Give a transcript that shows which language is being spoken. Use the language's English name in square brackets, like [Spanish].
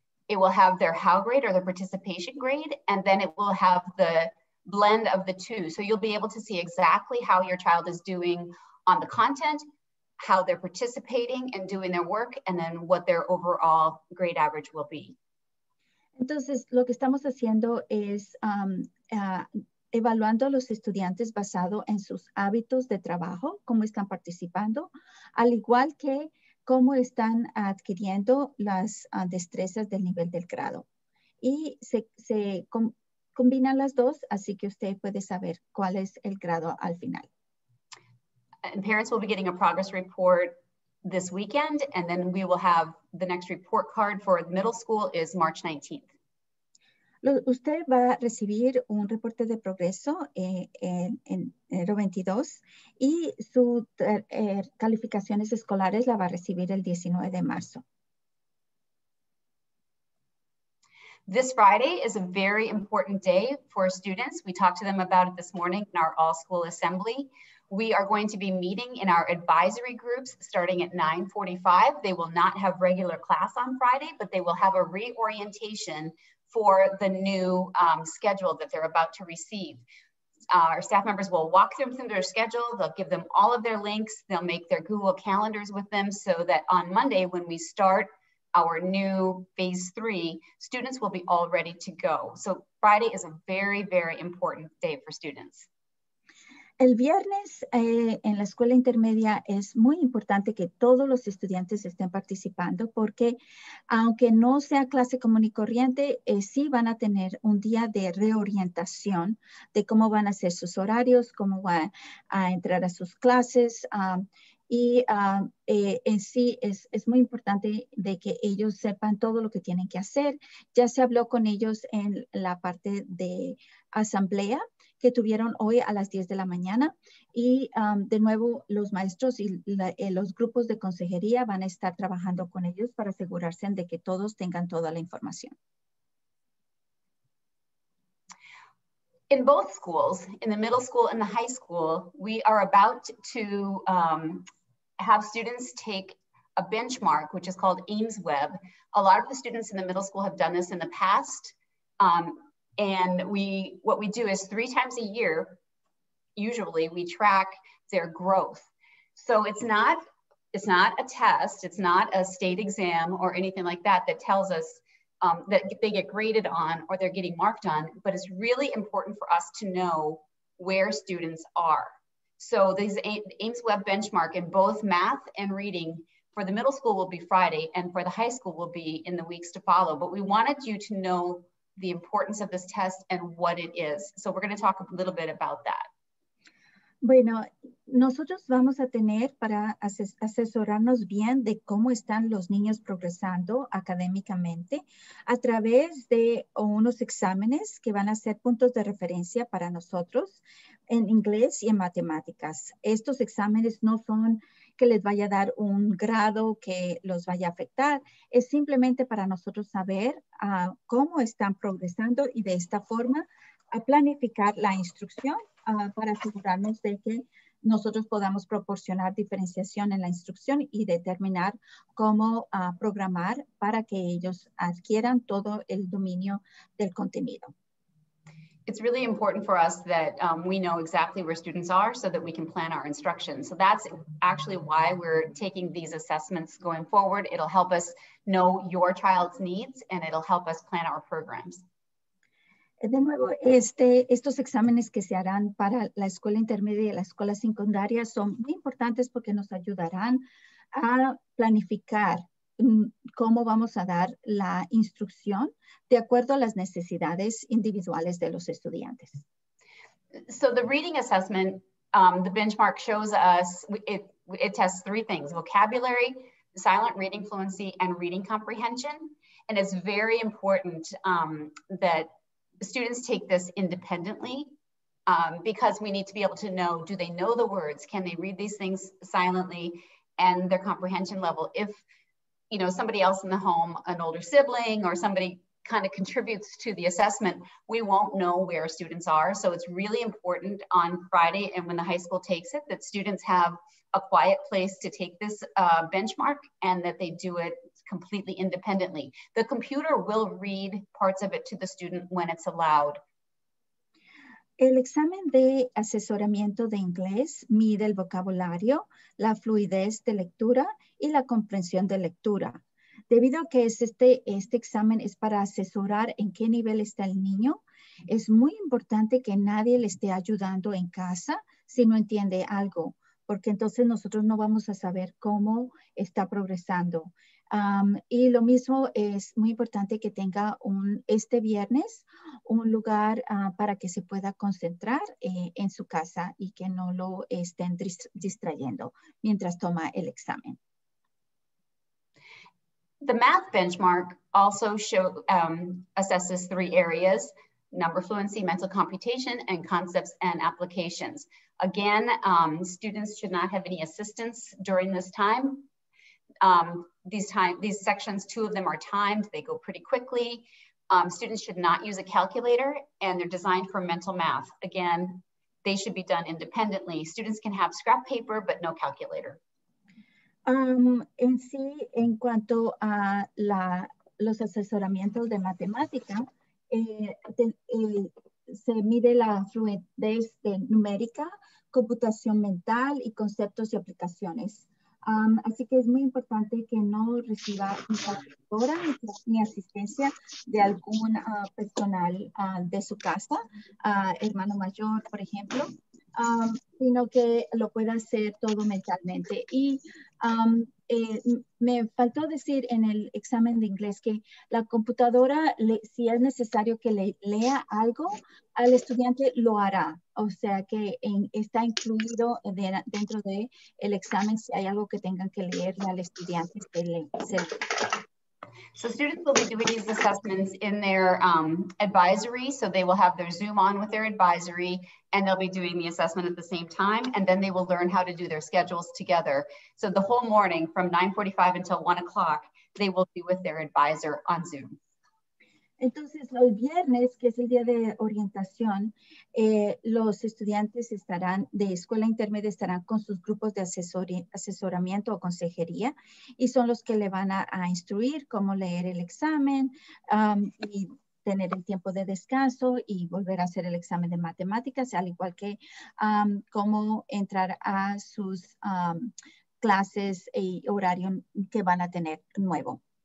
[English] It will have their how grade or their participation grade, and then it will have the blend of the two. So you'll be able to see exactly how your child is doing on the content, how they're participating and doing their work, and then what their overall grade average will be. [Spanish] Entonces, lo que estamos haciendo es evaluando a los estudiantes basado en sus hábitos de trabajo, cómo están participando, al igual que cómo están adquiriendo las destrezas del nivel del grado. Y se combina las dos, así que usted puede saber cuál es el grado al final. [English] And parents will be getting a progress report this weekend, and then we will have the next report card for middle school is March 19th. [Spanish] Usted va a recibir un reporte de progreso en enero 22 y sus calificaciones escolares la va a recibir el 19 de marzo. [English] This Friday is a very important day for students. We talked to them about it this morning in our all school assembly. We are going to be meeting in our advisory groups starting at 9:45. They will not have regular class on Friday, but they will have a reorientation for the new schedule that they're about to receive. Our staff members will walk them through their schedule. They'll give them all of their links. They'll make their Google calendars with them so that on Monday, when we start our new phase three, students will be all ready to go. So Friday is a very, very important day for students. [Spanish] El viernes en la escuela intermedia es muy importante que todos los estudiantes estén participando porque aunque no sea clase común y corriente, sí van a tener un día de reorientación de cómo van a hacer sus horarios, cómo van a entrar a sus clases y en sí es muy importante de que ellos sepan todo lo que tienen que hacer. Ya se habló con ellos en la parte de asamblea que tuvieron hoy a las 10 de la mañana y de nuevo los maestros y los grupos de consejería van a estar trabajando con ellos para asegurarse de que todos tengan toda la información. [English] In both schools, in the middle school and the high school, we are about to have students take a benchmark, which is called AIMSWeb. A lot of the students in the middle school have done this in the past. What we do is three times a year, usually we track their growth. So it's not a test, it's not a state exam or anything like that that tells us that they get graded on or they're getting marked on, but it's really important for us to know where students are. So these AIMSWeb benchmark in both math and reading for the middle school will be Friday and for the high school will be in the weeks to follow. But we wanted you to know the importance of this test and what it is. So we're going to talk a little bit about that. [Spanish] Bueno, nosotros vamos a tener para asesorarnos bien de cómo están los niños progresando académicamente a través de unos exámenes que van a ser puntos de referencia para nosotros en inglés y en matemáticas. Estos exámenes no son que les vaya a dar un grado que los vaya a afectar, es simplemente para nosotros saber cómo están progresando y de esta forma a planificar la instrucción para asegurarnos de que nosotros podamos proporcionar diferenciación en la instrucción y determinar cómo programar para que ellos adquieran todo el dominio del contenido. [English] It's really important for us that we know exactly where students are so that we can plan our instruction. So that's actually why we're taking these assessments going forward. It'll help us know your child's needs and it'll help us plan our programs. [Spanish] De nuevo, estos exámenes que se harán para la escuela intermedia y la escuela secundaria son muy importantes porque nos ayudarán a planificar cómo vamos a dar la instrucción de acuerdo a las necesidades individuales de los estudiantes. [English] So the reading assessment, the benchmark shows us, it tests three things, vocabulary, silent reading fluency, and reading comprehension. And it's very important that students take this independently because we need to be able to know, do they know the words? Can they read these things silently and their comprehension level? If, you know, somebody else in the home, an older sibling or somebody kind of contributes to the assessment, we won't know where students are. So it's really important on Friday and when the high school takes it, that students have a quiet place to take this benchmark and that they do it completely independently. The computer will read parts of it to the student when it's allowed. [Spanish] El examen de asesoramiento de inglés mide el vocabulario, la fluidez de lectura y la comprensión de lectura. Debido a que este examen es para asesorar en qué nivel está el niño, es muy importante que nadie le esté ayudando en casa si no entiende algo, porque entonces nosotros no vamos a saber cómo está progresando. Y lo mismo es muy importante que tenga este viernes un lugar para que se pueda concentrar en su casa y que no lo estén distrayendo mientras toma el examen. [English] The math benchmark also assesses three areas: number fluency, mental computation, and concepts and applications. Again, students should not have any assistance during this time. These sections, two of them are timed, they go pretty quickly. Students should not use a calculator and they're designed for mental math. Again, they should be done independently. Students can have scrap paper, but no calculator. [Spanish] En sí, en cuanto a los asesoramientos de matemática, se mide la fluidez de numérica, computación mental y conceptos y aplicaciones. Así que es muy importante que no reciba ni calculadora ni asistencia de algún personal de su casa, hermano mayor, por ejemplo, sino que lo pueda hacer todo mentalmente. Y me faltó decir en el examen de inglés que la computadora, si es necesario que le lea algo, al estudiante lo hará. O sea que está incluido dentro de el examen si hay algo que tengan que leerle al estudiante. [English] So students will be doing these assessments in their advisory. So they will have their Zoom on with their advisory and they'll be doing the assessment at the same time. And then they will learn how to do their schedules together. So the whole morning from 9:45 until 1 o'clock, they will be with their advisor on Zoom. [Spanish] Entonces, el viernes, que es el día de orientación, los estudiantes estarán de escuela intermedia, estarán con sus grupos de asesoramiento o consejería y son los que le van a instruir cómo leer el examen y tener el tiempo de descanso y volver a hacer el examen de matemáticas, al igual que cómo entrar a sus clases y horario que van a tener nuevo.